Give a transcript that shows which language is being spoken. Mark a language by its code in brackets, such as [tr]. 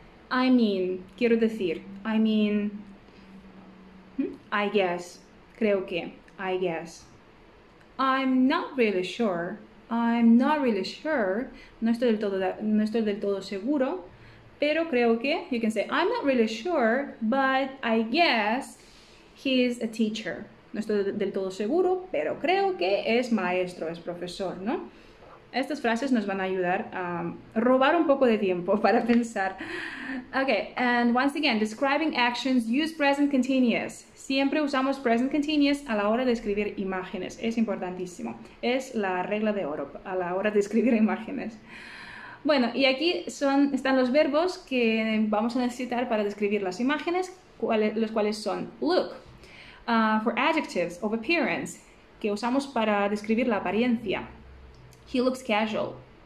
[en] I mean, [es] quiero decir. [en] I mean, I guess, [es] creo que, [en] I guess. I'm not really sure. I'm not really sure. [es] No estoy del todo seguro, pero creo que. [en] You can say, I'm not really sure, but I guess he's a teacher. [es] No estoy del todo seguro, pero creo que es maestro, es profesor, ¿no? Estas frases nos van a ayudar a robar un poco de tiempo para pensar. [en] Okay, and once again, describing actions, use present continuous. [es] Siempre usamos present continuous a la hora de escribir imágenes. Es importantísimo. Es la regla de oro a la hora de escribir imágenes. Bueno, y aquí están los verbos que vamos a necesitar para describir las imágenes, los cuales son [en] look, for adjectives of appearance, [es] que usamos para describir la apariencia. [en] He looks casual.